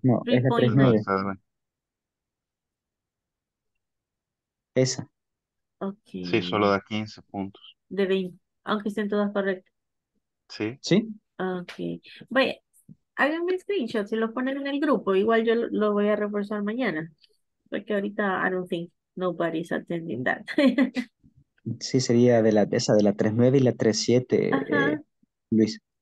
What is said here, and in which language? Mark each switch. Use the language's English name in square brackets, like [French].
[Spanish] No, es la 3, esa. [English] Okay. [Spanish] Sí, solo da 15 puntos. De 20, aunque estén todas correctas. Sí. Sí. [English] Okay. [Spanish] Vaya, háganme screenshots y los ponen en el grupo. Igual yo lo voy a reforzar mañana. Porque ahorita, [English] I don't think nobody's attending that. [Spanish] Sí, sería de la, esa de la 3-9 y la 3-7, Luis.